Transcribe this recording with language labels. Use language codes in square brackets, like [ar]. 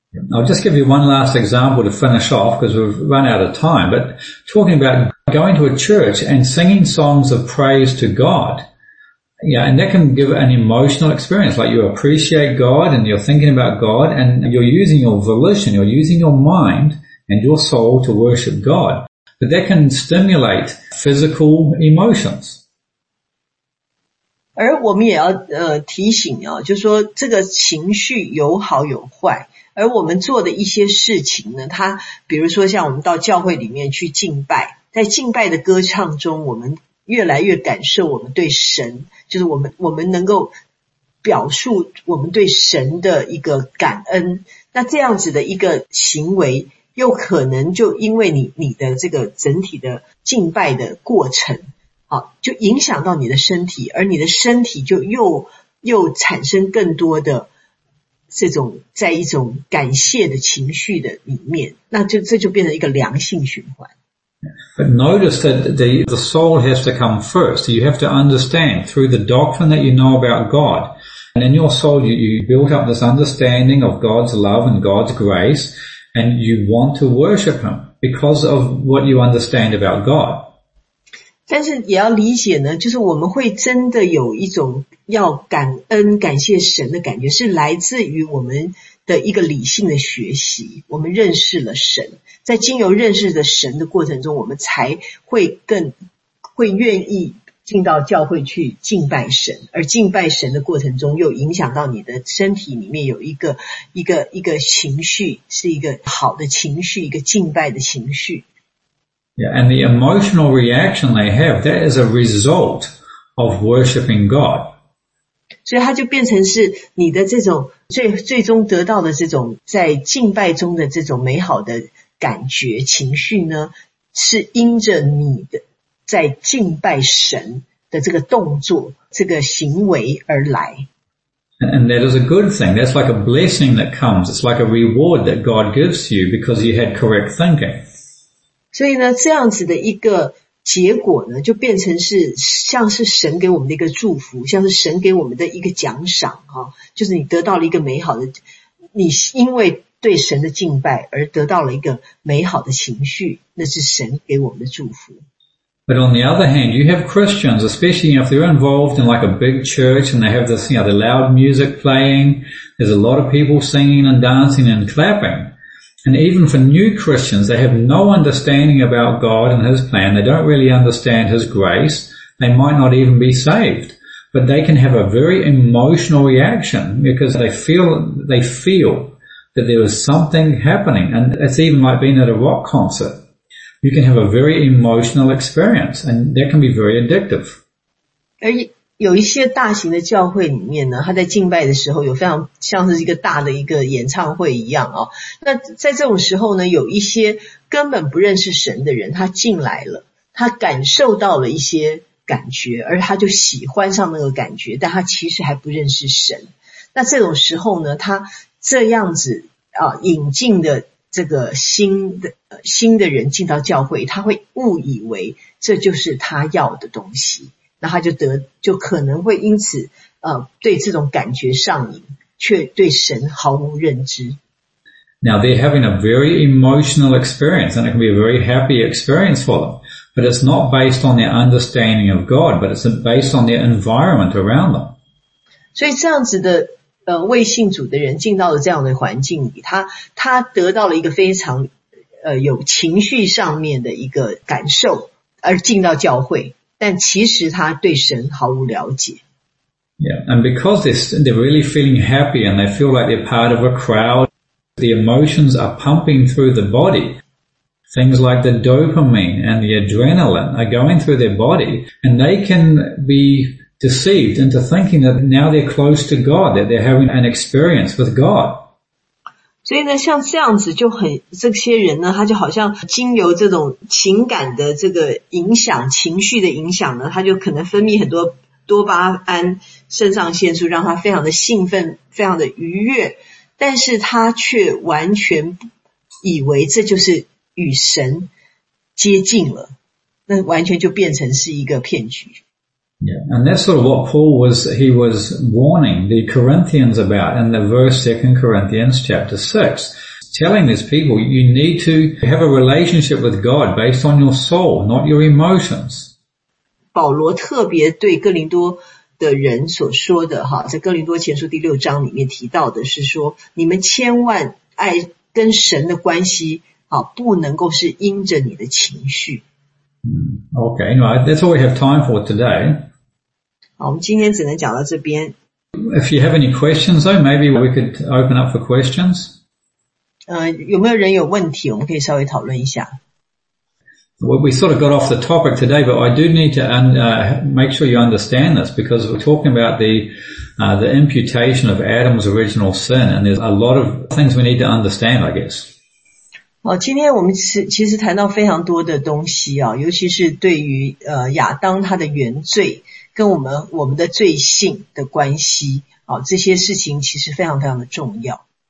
[en] I'll just give you one last example to finish off because we've run out of time, but talking about going to a church and singing songs of praise to God, and that can give an emotional experience, like you appreciate God and you're thinking about God and you're using your volition, you're using your mind and your soul to worship God, but that can stimulate physical emotions. [zh] 而我们也要提醒啊，就是说这个情绪有好有坏，而我们做的一些事情呢，它比如说像我们到教会里面去敬拜，在敬拜的歌唱中，我们越来越感受我们对神，就是我们能够表述我们对神的一个感恩。那这样子的一个行为，又可能就因为你的这个整体的敬拜的过程，好，就影响到你的身体，而你的身体就又产生更多的这种在一种感谢的情绪的里面，那就这就变成一个良性循环。 [en] But notice that the soul has to come first. You have to understand through the doctrine that you know about God. And in your soul, you built up this understanding of God's love and God's grace, and you want to worship Him because of what you understand about God. [zh] 但是也要理解呢，就是我们会真的有一种要感恩、感谢神的感觉，是来自于我们的一个理性的学习，我们认识了神，在经由认识的神的过程中，我们才会更会愿意进到教会去敬拜神，而敬拜神的过程中又影响到你的身体里面有一个情绪，是一个好的情绪，一个敬拜的情绪。 [en] Yeah, and the emotional reaction they have, that is a result of worshiping God. [zh] 所以它就变成是你的这种最终得到的这种在敬拜中的这种美好的感觉情绪呢，是因着你的在敬拜神的这个动作这个行为而来。 [en] And that is a good thing. That's like a blessing that comes. It's like a reward that God gives you because you had correct thinking. [zh] 所以呢，这样子的一个结果呢，就变成是像是神给我们的一个祝福，像是神给我们的一个奖赏，就是你得到了一个美好的，你因为对神的敬拜而得到了一个美好的情绪，那是神给我们的祝福。 [en] But on the other hand, you have Christians, especially if they're involved in like a big church and they have this, you know, the loud music playing, there's a lot of people singing and dancing and clapping. And even for new Christians, they have no understanding about God and His plan. They don't really understand His grace. They might not even be saved. But they can have a very emotional reaction because they feel that there is something happening. And it's even like being at a rock concert. You can have a very emotional experience, and that can be very addictive. [zh] 而有一些大型的教会里面呢，他在敬拜的时候有非常像是一个大的一个演唱会一样啊。那在这种时候呢，有一些根本不认识神的人，他进来了，他感受到了一些感觉，而他就喜欢上那个感觉，但他其实还不认识神。那这种时候呢，他这样子啊，引进的这个新的人进到教会，他会误以为这就是他要的东西，那他就可能会因此对这种感觉上瘾，却对神毫无认知。 [en] Now they're having a very emotional experience, and it can be a very happy experience for them, but it's not based on their understanding of God, but it's based on their environment around them. [zh] 所以这样子的未信主的人进到了这样的环境里，他得到了一个非常有情绪上面的一个感受而进到教会，但其实他对神毫无了解。 [en] Yeah, and because they're really feeling happy and they feel like they're part of a crowd, the emotions are pumping through the body. Things like the dopamine and the adrenaline are going through their body, and they can be deceived into thinking that now they're close to God, that they're having an experience with God. [zh] 所以呢，像这样子就很，这些人呢，他就好像经由这种情感的这个影响，情绪的影响呢，他就可能分泌很多多巴胺、肾上腺素，让他非常的兴奋，非常的愉悦，但是他却完全以为这就是与神接近了，那完全就变成是一个骗局。 [en] Yeah, and that's sort of what Paul was warning the Corinthians about in the verse 2 Corinthians chapter 6, telling these people you need to have a relationship with God based on your soul, not your emotions. [zh] 保罗特别对哥林多的人所说的，在哥林多前书第六章里面提到的是说，你们千万爱跟神的关系，不能够是因着你的情绪。 [en] Okay, anyway, that's all we have time for today. [zh] 好，我们今天只能讲到这边。 [en] If you have any questions though, maybe we could open up for questions. [zh] 有没有人有问题？我们可以稍微讨论一下。 [en] We sort of got off the topic today, but I do need to make sure you understand this, because we're talking about the imputation of Adam's original sin, and there's a lot of things we need to understand, I guess. [zh] 好，今天我们其实谈到非常多的东西啊，尤其是对于亚当他的原罪跟我们的罪性的关系啊，这些事情其实非常非常的重要。